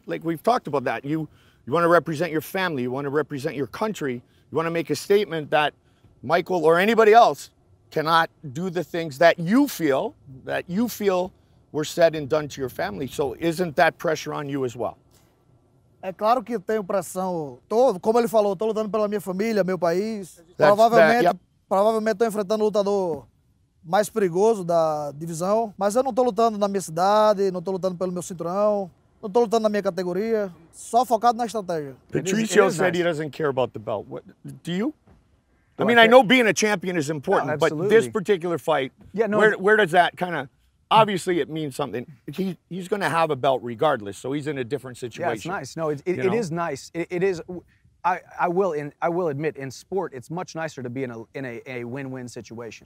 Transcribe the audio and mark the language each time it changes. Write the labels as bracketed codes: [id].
[en] Like, we've talked about that. You want to represent your family. You want to represent your country. You want to make a statement that Michael or anybody else cannot do the things that you feel were said and done to your family. So isn't that pressure on you as well? [pt] É claro que tenho pressão. Como ele falou, estou lutando pela minha família, meu país. Provavelmente estou enfrentando o lutador mais perigoso da divisão. Mas eu não estou lutando na minha cidade, não estou lutando pelo meu cinturão. Não estou lutando na minha categoria. Só focado na estratégia. [en] Patricio said he doesn't care about the belt. What, do you? I mean, I know being a champion is important, but this particular fight, where does that kind of... Obviously, it means something. He's going to have a belt regardless, so he's in a different situation. Yeah, it's nice. No, it is nice. It is. I will admit, in sport, it's much nicer to be in a win-win situation.